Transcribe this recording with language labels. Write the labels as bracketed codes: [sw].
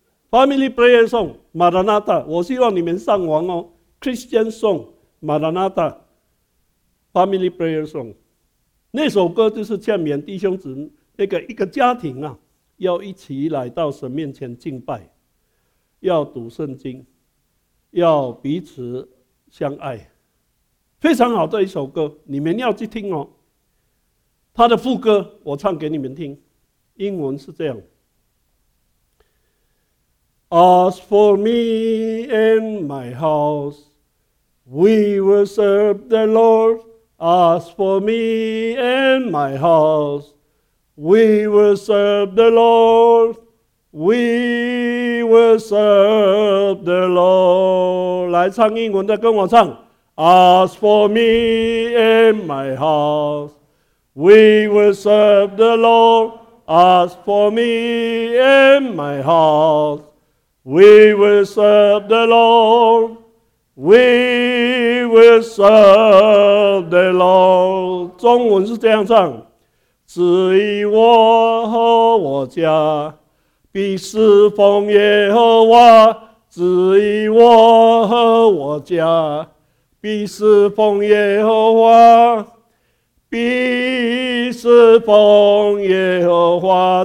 [zh] Family Prayer Song， 马拉纳大，我希望你们上网哦，Christian Song， Maranatha Family Prayer Song， 那首歌就是劝勉弟兄姊那个一个家庭啊，要一起来到神面前敬拜，要读圣经，要彼此相爱，非常好的一首歌，你们要去听哦。他的副歌我唱给你们听，英文是这样。 [en] As for me and my house, we will serve the Lord. As for me and my house, we will serve the Lord. We will serve the Lord. [zh] 来唱英文的跟我唱。 [en] As for me and my house, we will serve the Lord. As for me and my house, we will serve the Lord. We will serve the Lord. [zh] 中文是这样唱：只因我和我家必侍奉耶和华，只因我和我家必侍奉耶和华，必侍奉耶和华。